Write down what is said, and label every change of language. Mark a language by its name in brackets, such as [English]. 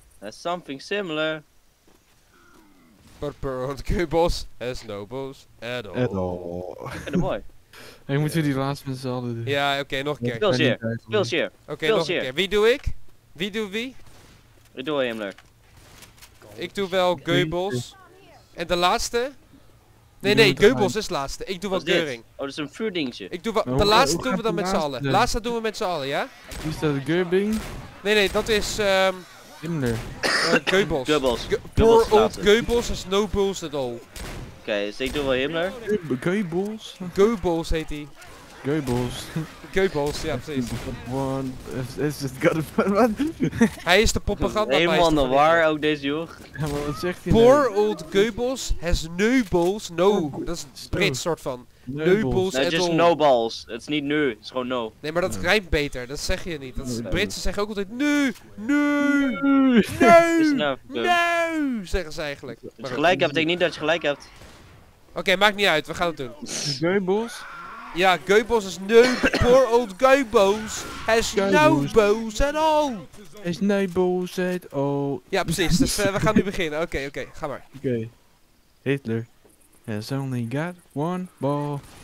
[English] That's something similar. But Perron Goebbels has no balls at all. At all. [Dutch] Mooi. Moeten we die laatste met z'n allen doen? Ja, oké, nog een keer. Pilsier. Oké, nog een keer. Wie doe ik? Wie doe wie? Ik doe Himmler. Ik doe wel Goebbels. En de laatste? Nee, Goebbels is laatste. Ik doe wat Goering. Oh, dat is een vuurdingetje. Ik doe wat. De laatste doen we dan met z'n allen. De laatste doen we met z'n allen, ja? Wie is dat, Goering? Nee, dat is Himmler. Goebbels. Goebbels. [English] Poor old Goebbels is no bulls at all. [Dutch] Oké, dus ik doe wel Himmler. Goebbels? Goebbels heet hij. Goebbels. Goebbels, ja precies. One, is het God? Hij is de propaganda. Helemaal de war ook deze joh. Ja, maar wat zegt hij? [English] Poor old Goebbels has no balls. [Dutch] No, dat is een Brits soort van. [English] No balls at all. Just no balls. [Dutch] Het is niet nu, het is gewoon no. Nee, maar dat rijmt beter, dat zeg je niet. Dat is Britsen zeggen ook altijd nu, nu, nu, nu, zeggen ze eigenlijk. Als je gelijk hebt, betekent niet dat je gelijk hebt. Oké, maakt niet uit, we gaan het doen. Goebbels? [English] Ja, Goebbels is no poor old Goebbels has no balls at all. Is no balls at all. [Dutch] Ja, precies. Dus we gaan nu beginnen. Oké. Ga maar. Oké. [English] Hitler has only got one ball.